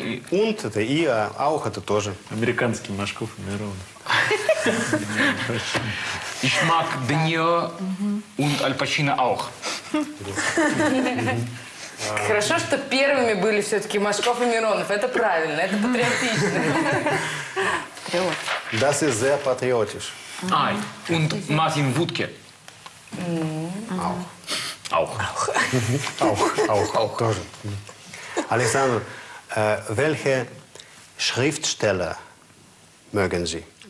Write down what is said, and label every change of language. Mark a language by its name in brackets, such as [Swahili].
[German] Und [Russian] это и, а [German] auch [Russian] это тоже. Американский Машков и Миронов. [German] Ich mag De Niro und Al Pacino auch. [Russian] Хорошо, что первыми были все-таки Машков и Миронов. Это правильно, это патриотично. Патриот. [German] Das ist sehr patriotisch. Ай, und Martin Wuttke. Auch. Auch. Auch. Auch. [Russian] Тоже. [German] Александр, welche Schriftsteller mögen Sie?